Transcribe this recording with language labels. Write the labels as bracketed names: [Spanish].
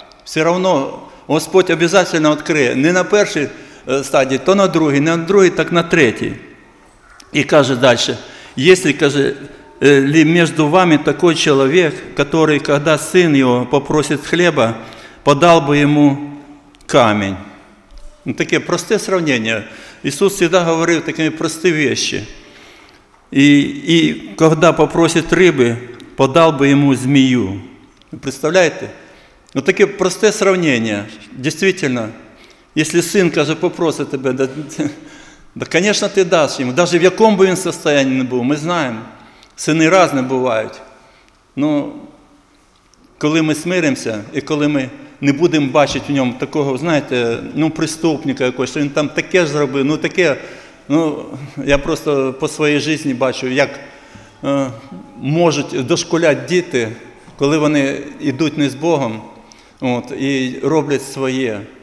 [Ukrainian] Все одно Господь обов'язково відкриє не на першій стадії, то на другій, так на третій. І каже далі, якщо, каже, [Russian] ли між вами такой человек, который, когда сын его попросит хлеба, подал бы ему камень. [Ukrainian] Таке просте сравнение. Ісус завжди говорив такі прості вещи. [Russian] І когда попросит рыбы, подал бы ему змею. Представляете? [Ukrainian] Таке просте [Russian] сравнение. Действительно, если сын, каже, попросит тебе, да, конечно, ты дашь ему. Даже в каком бы он состоянии не был, мы знаем. [Ukrainian] Сини різні бувають. Ну, коли ми смиримося і коли ми не будемо бачити в ньому такого, знаєте, ну, преступника якогось, що він там таке ж зробив, ну таке, ну, я просто по своїй житті бачу, як можуть дошкуляти діти, коли вони йдуть не з Богом, от, і роблять своє.